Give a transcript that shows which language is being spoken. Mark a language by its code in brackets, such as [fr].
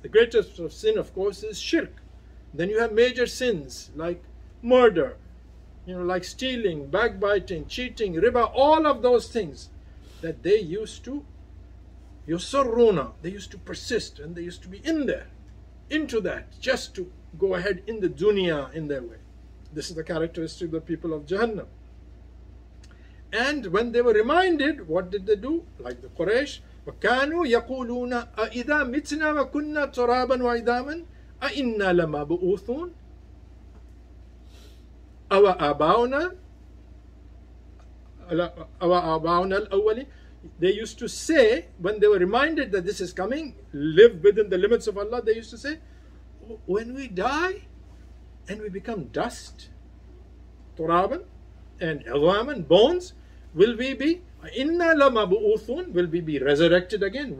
[en] The greatest of sin, of course, is shirk. Then you have major sins like murder, you know, like stealing, backbiting, cheating, riba, all of those things that they used to, yusurruna, they used to persist and they used to be in there, into that, just to go ahead in the dunya in their way. This is the characteristic of the people of Jahannam. And when they were reminded, what did they do? [ar] Like the Quraysh, وَكَانُوا يَقُولُونَ أَإِذَا مِتْنَا وَكُنَّا تُرَابًا وَإِذَامًا أَإِنَّا لَمَبْعُوثُونَ أَوَآبَاؤُنَا الْأَوَّلِينَ. [en] They used to say, when they were reminded that this is coming, live within the limits of Allah, they used to say, when we die and we become dust, turaban and idhaman, bones, will we be, inna lamabu'uthun, will we be resurrected again?